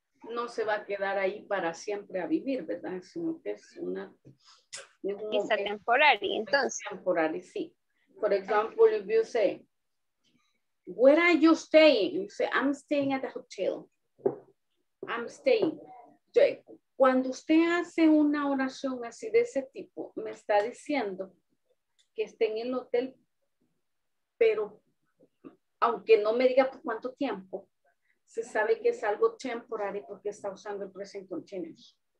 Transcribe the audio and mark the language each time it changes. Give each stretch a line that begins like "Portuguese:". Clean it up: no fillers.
Spanish: No se va a quedar ahí para siempre a vivir, ¿verdad? Sino que es una. Es temporary, entonces. Temporary, sí.
English: For example, if you say, where are you staying? You say, I'm staying at a hotel. I'm staying.
Spanish: Cuando usted hace una oración así de ese tipo, me está diciendo que esté en el hotel, pero aunque no me diga por cuánto tiempo, se sabe que es algo temporary porque está usando el present continuous.